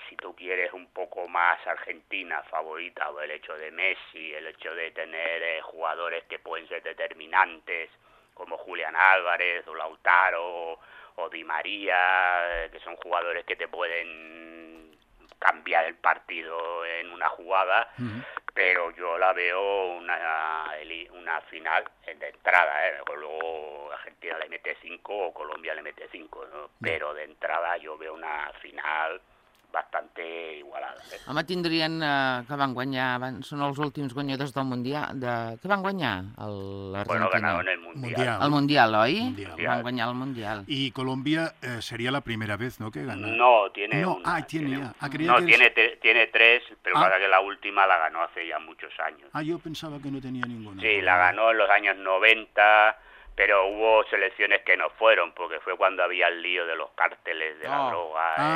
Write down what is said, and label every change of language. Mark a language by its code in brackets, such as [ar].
[es] Si tú quieres un poco más Argentina favorita, o el hecho de Messi, el hecho de tener jugadores que pueden ser determinantes, como Julián Álvarez o Lautaro o Di María, que son jugadores que te pueden cambiar el partido en una jugada, pero yo la veo una final de entrada, luego Argentina le mete 5 o Colombia le mete 5, ¿no? Pero de entrada yo veo una final bastante igualada. [ca] Home, tindrien que van guanyar, són els últims guanyadors del Mundial, que van guanyar l'Argentina? [es] Bueno, ganaron el Mundial. [ca] El Mundial, oi? Mundial. Van guanyar el Mundial. I Colòmbia seria [es] la primera vez, no, que gana? No, tiene no, una. Tiene tres, però para que la última la ganó hace ya muchos años. Ah, yo pensaba que no tenía ninguna. Sí, la ganó en los años 90, pero hubo selecciones que no fueron, porque fue cuando había el lío de los cárteles de la droga.